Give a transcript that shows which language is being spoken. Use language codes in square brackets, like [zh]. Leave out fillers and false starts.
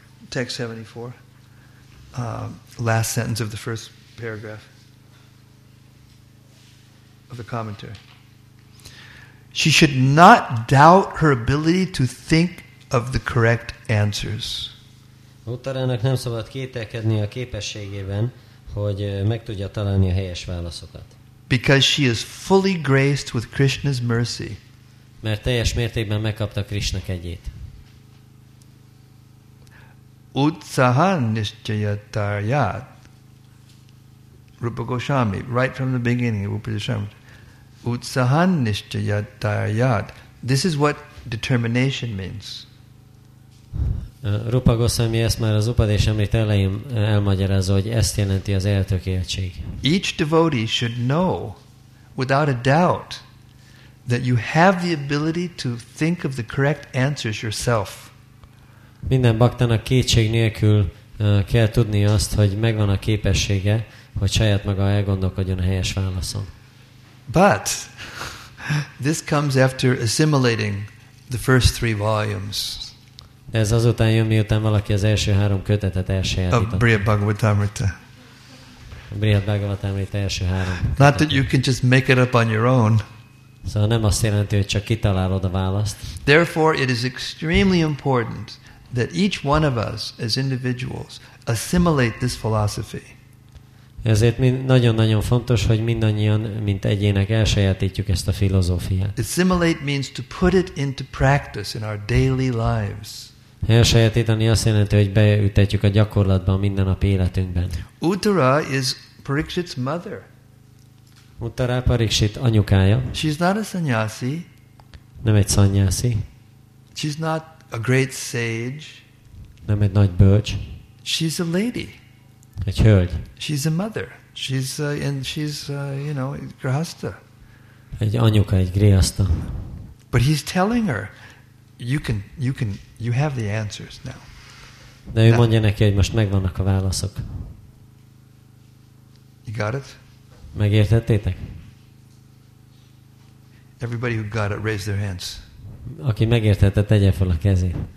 [en] Text 74, last sentence of the first paragraph of the commentary. She should not doubt her ability to think of the correct answers. [hu] Uttarának nem szabad kételkedni a képességében, hogy meg tudja találni a helyes válaszokat. [en] Because she is fully graced with Krishna's mercy. [hu] Mert teljes mértékben megkapta Krishna kegyét. [sa] Utsaha nischayatayat. [en] Rupa Goswami, right from the beginning, Rupa Goswami. [sa] Utsahan nischayatayat. [en] This is what determination means. [hu] Rupa Goswami ezt már az Upadésemrit elején elmagyarázza, hogy ezt jelenti az eltökéltség. [en] Each devotee should know, without a doubt, that you have the ability to think of the correct answers yourself. [hu] Minden baktának kétség nélkül kell tudni azt, hogy megvan a képessége, hogy saját maga elgondolkodjon a helyes válaszon. [en] But this comes after assimilating the first three volumes. [hu] Ez azután jön, miután valaki az első három kötetet elsajátította. A Brihat Bhagavatamrita. A Brihat Bhagavatamrita első három. [en] Not that you can just make it up on your own. [hu] Szóval nem azt jelenti, hogy csak kitalálod a választ. [en] Therefore, it is extremely important that each one of us, as individuals, assimilate this philosophy. [hu] Ezért nagyon-nagyon fontos, hogy mindannyian, mint egyének elsajátítjuk ezt a filozófiát. [en] Assimilate means to put it into practice in our daily lives. [hu] Elsajátítani azt jelenti, hogy beültetjük a gyakorlatban minden nap életünkben. [en] Uttara is Parikshit's mother. [hu] Uttara Parikshit anyukája. [en] She's not a sanyasi. [hu] Nem egy sanyasi. [en] She's not a great sage. [hu] Nem egy nagy bölcs. [en] She's a lady. [hu] Egy hölgy. [en] She's a mother. She's and she's you know, grihasta. [hu] Egy anyuka, egy grihasta. [en] But he's telling her, you can you have the answers now. [hu] De ő mondja neki, hogy most megvannak a válaszok. [en] You got it? [hu] Megértettétek? [en] Everybody who got it, raise their hands. [hu] Aki megértette, tegye fel a kezét.